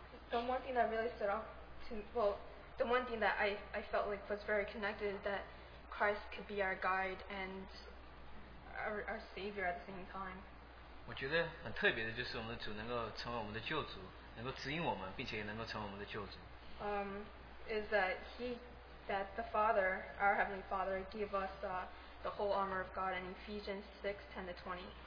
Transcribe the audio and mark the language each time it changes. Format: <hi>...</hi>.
<en>The one thing that really stood out to me, well, the one thing that I felt like was very connected is that Christ could be our guide and our savior at the same time.</en> <zh>我觉得很特别的就是我们的主能够成为我们的救主，能够指引我们，并且也能够成为我们的救主。</zh> <en>Is that he, that the Father, our Heavenly Father, gave us the whole armor of God in Ephesians 6:10-20.</en>